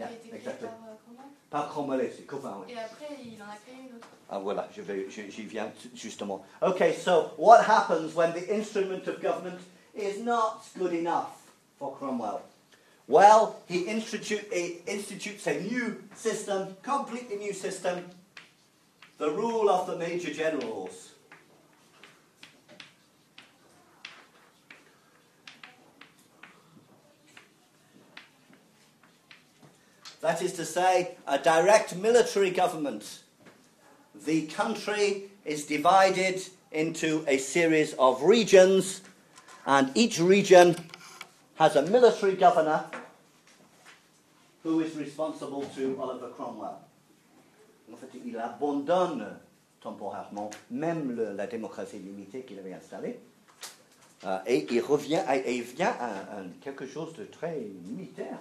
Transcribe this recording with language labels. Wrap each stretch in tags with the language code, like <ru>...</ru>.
<fr>C'est la Constitution qui a duré 2 ans et qui a été créée par Cromwell. Par Cromwell, c'est Cromwell. Oui. Et après, il en a créé une autre. Ah voilà, j'y viens justement.</fr> <en>Okay, so what happens when the instrument of government is not good enough for Cromwell? Well, he institutes a new system, completely new system, the rule of the major generals. That is to say, a direct military government. The country is divided into a series of regions, and each region has a military governor who is responsible to Oliver Cromwell.</en> <fr>En fait, il abandonne temporairement même la démocratie limitée qu'il avait installée, et il revient et il vient à quelque chose de très militaire.</fr>